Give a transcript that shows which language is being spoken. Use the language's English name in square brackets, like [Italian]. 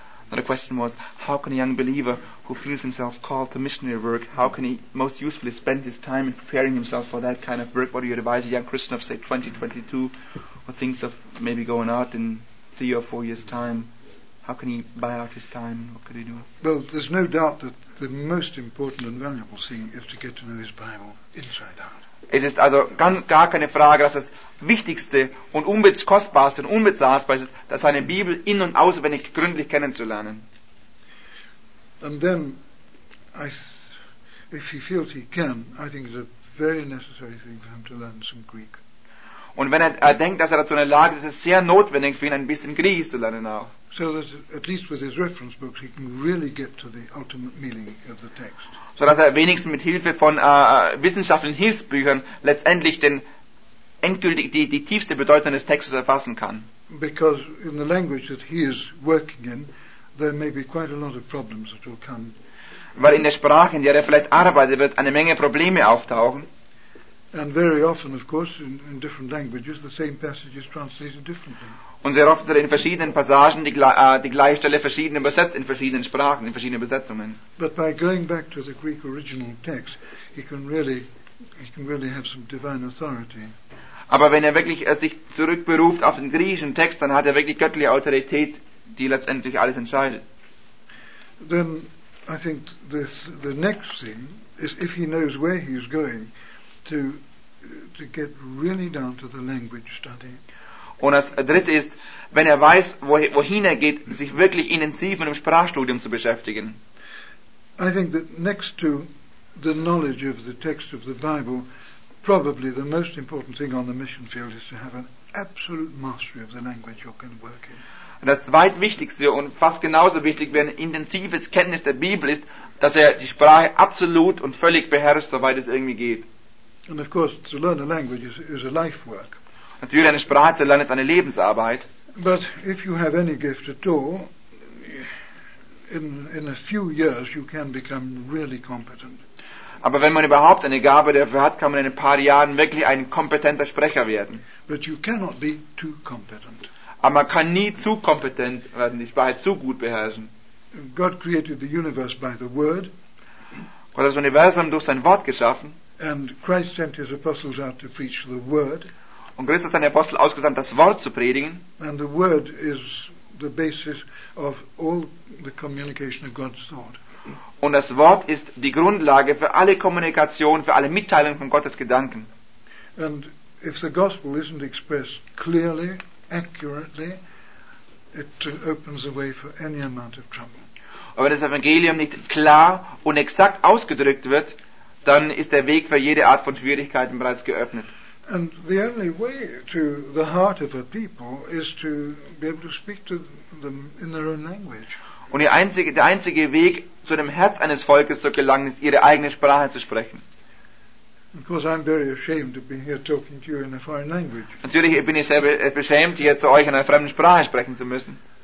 [English] Another question was, how can a young believer who feels himself called to missionary work, how can he most usefully spend his time in preparing himself for that kind of work? What do you advise a young Christian of, say, 20, 22, who thinks of maybe going out in 3 or 4 years' time? How can he buy out his time? What could he do? Well, there's no doubt that the most important and valuable thing is to get to know his Bible inside out. [German] Es ist also gar keine Frage, dass das Wichtigste und Kostbarste und Unbezahlbarste ist, dass seine Bibel in- und auswendig gründlich kennenzulernen. [English] And then, if he feels he can, I think it's a very necessary thing for him to learn some Greek. [German] Und wenn er denkt, dass er dazu in der Lage ist, ist es sehr notwendig für ihn, ein bisschen Griechisch zu lernen auch. [English] So that at least with his reference books he can really get to the ultimate meaning of the text. [German] So dass er wenigstens mit Hilfe von wissenschaftlichen Hilfsbüchern letztendlich die tiefste Bedeutung des Textes erfassen kann. [English] Because in the language that he is working in, there may be quite a lot of problems that will come. [German] Weil in der Sprache, in der er vielleicht arbeitet, wird eine Menge Probleme auftauchen. [English] And very often, of course, in different languages, the same passage is translated differently. [German] Und sehr oft sind in verschiedenen Passagen die gleiche Stelle verschieden übersetzt in verschiedenen Sprachen, in verschiedenen Übersetzungen. [English] But by going back to the Greek original text, he can really have some divine authority. [German] Aber wenn er wirklich sich zurückberuft auf den griechischen Text, dann hat er wirklich göttliche Autorität, die letztendlich alles entscheidet. [English] Then I think the next thing is, if he knows where he is going, to get really down to the language study. [German] Und das dritte ist, wenn er weiß, wohin er geht, sich wirklich intensiv mit dem Sprachstudium zu beschäftigen. [English] I think that next to the knowledge of the text of the Bible, probably the most important thing on the mission field is to have an absolute mastery of the language you're going to work in. [German] Und das zweitwichtigste und fast genauso wichtig wie ein intensives Kenntnis der Bibel ist, dass er die Sprache absolut und völlig beherrscht, soweit es irgendwie geht. [English] And of course, to learn a language is a life work. [German] Natürlich, eine Sprache zu lernen, ist eine Lebensarbeit. [English] But if you have any gift at all, in a few years you can become really competent. [German] Aber wenn man überhaupt eine Gabe dafür hat, kann man in ein paar Jahren wirklich ein kompetenter Sprecher werden. [English] But you cannot be too competent. [German] Aber man kann nie zu kompetent werden, die Sprache zu gut beherrschen. [English] God created the universe by the word. [German] Gott hat das Universum durch sein Wort geschaffen. [English] And Christ sent his apostles out to preach the word. [German] Und Christus hat seine Apostel ausgesandt, das Wort zu predigen. [English] And the word is the basis of all the communication of God's thought. [German] Und das Wort ist die Grundlage für alle Kommunikation, für alle Mitteilungen von Gottes Gedanken. [English] And if the gospel isn't expressed clearly, accurately, it opens the way for any amount of trouble. [German] Und wenn das Evangelium nicht klar und exakt ausgedrückt wird, dann ist der Weg für jede Art von Schwierigkeiten bereits geöffnet. [English] And the only way to the heart of a people is to be able to speak to them in their own language. [German] Und der einzige Weg zu dem Herz eines Volkes zu gelangen ist, ihre eigene Sprache zu sprechen. [English] Of course, I'm very ashamed to be here talking to you in a foreign language. [German] Natürlich bin ich sehr beschämt, hier zu euch in einer fremden Sprache sprechen zu müssen.